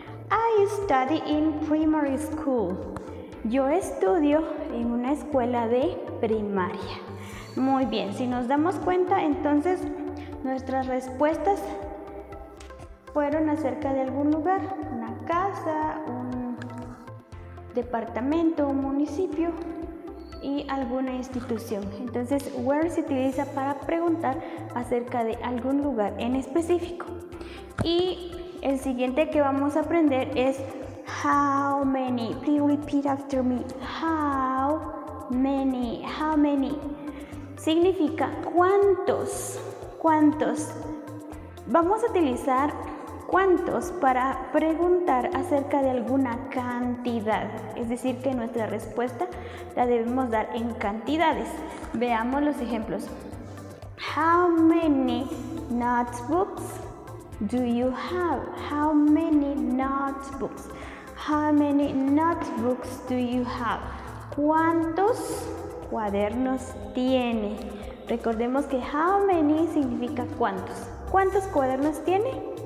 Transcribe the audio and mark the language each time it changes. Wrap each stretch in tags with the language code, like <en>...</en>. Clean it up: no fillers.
<en>I study in primary school.</en> <es>Yo estudio en una escuela de primaria. Muy bien, si nos damos cuenta, entonces nuestras respuestas fueron acerca de algún lugar, una casa, un departamento, un municipio y alguna institución. Entonces, where se utiliza para preguntar acerca de algún lugar en específico. Y el siguiente que vamos a aprender es how many.</es> <en>Please repeat after me. How many. How many.</en> <es>Significa cuántos. ¿Cuántos? Vamos a utilizar cuántos para preguntar acerca de alguna cantidad. Es decir, que nuestra respuesta la debemos dar en cantidades. Veamos los ejemplos.</es> <en>How many notebooks do you have? How many notebooks? How many notebooks do you have?</en> <es>¿Cuántos cuadernos tiene? Recordemos que how many significa cuántos. ¿Cuántos cuadernos tiene?</es>